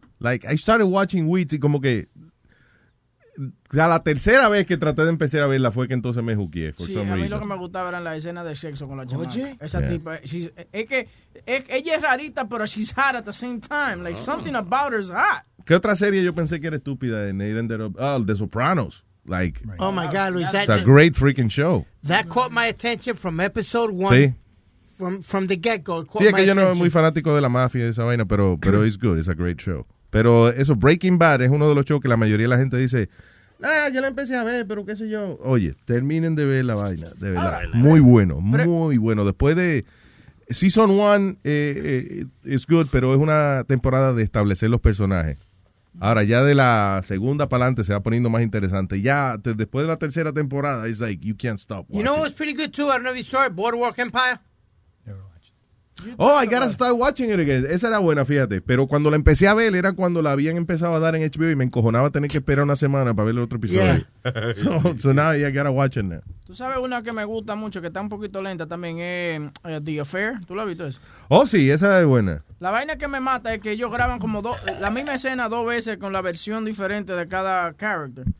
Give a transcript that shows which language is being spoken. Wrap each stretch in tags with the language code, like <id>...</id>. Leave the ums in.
<en>Like, I started watching Weeds</en> <es>y como que. A la tercera vez que traté de empezar a verla fue que entonces me juqué. Sí, some es, a mí lo que me gustaba eran la escena las escenas de sexo con la chica.</es> <en>Esa yeah. tipo she's,</en> <es>es que es, ella es rarita, pero</es> <en>she's hot at the same time. Like, oh. something about her is hot.</en> <es>¿Qué otra serie yo pensé que era estúpida?</es> <en>de oh, The Sopranos like oh right my god Luis, a great freaking show that caught my attention from episode one sí. from, from the get go sí, que yo attention.</en> <es>no soy muy fanático de la mafia esa vaina pero pero</es> <en>it's good it's a great show</en> <es>pero eso Breaking Bad es uno de los shows que la mayoría de la gente dice ah yo la empecé a ver pero qué sé yo oye terminen de ver la vaina de verdad muy bueno pero, muy bueno después de season one es eh, eh, good pero es una temporada de establecer los personajes Ahora, ya de la segunda para adelante se va poniendo más interesante. Ya después de la tercera temporada, es como</es> <en>like, you can't stop. Watching. You know what was pretty good too? I don't know if you saw it, Boardwalk Empire. You oh, I gotta start watching it again.</en> <es>Esa era buena, fíjate. Pero cuando la empecé a ver, era cuando la habían empezado a dar en HBO y me encojonaba a tener que esperar una semana para ver el otro episodio.</es> <en>Yeah. so, so, now I gotta watch it now.</en> <es>Tú sabes una que me gusta mucho, que está un poquito lenta también, es uh, The Affair. ¿Tú la has visto eso? Oh, sí, esa es buena. La vaina que me mata es que ellos graban como dos la misma escena dos veces con la versión diferente de cada character.</es>